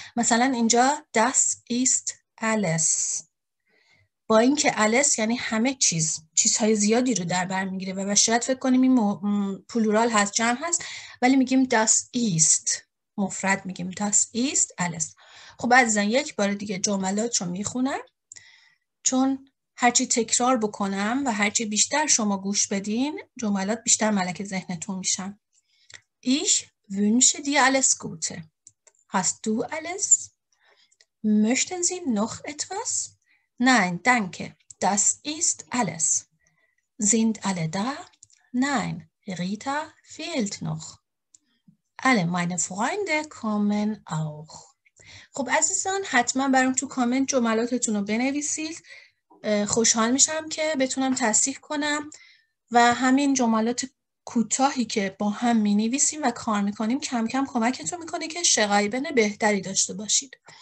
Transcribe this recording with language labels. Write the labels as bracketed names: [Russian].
[Persian] مثلا اینجا [German] das ist alles، [Persian] با اینکه الس یعنی همه چیز، چیزهای زیادی رو در بر میگیره و شاید فکر کنیم این پلورال هست، جمع هست، ولی میگیم das ist مفرد، میگیم das ist alles. خب عزیزان یک بار دیگه جملات رو میخونم، چون هرچی تکرار بکنم و هرچی بیشتر شما گوش بدین جملات بیشتر ملک ذهنتون میشن. [German] Ich wünsche dir alles Gute. Hast du alles? Möchten Sie noch etwas? Nein, danke. Das ist alles. Sind alle da? Nein, Rita fehlt noch. Alle meine Freunde kommen auch. [Persian] خب عزیزان حتما برام تو کامنت جملاتتون رو بنویسید. خوشحال میشم که بتونم تصحیح کنم و همین جملات کوتاهی که با هم می نویسیم و کار می کنیم کم کم کمکتون می کنه که شقایبن بهتری داشته باشید.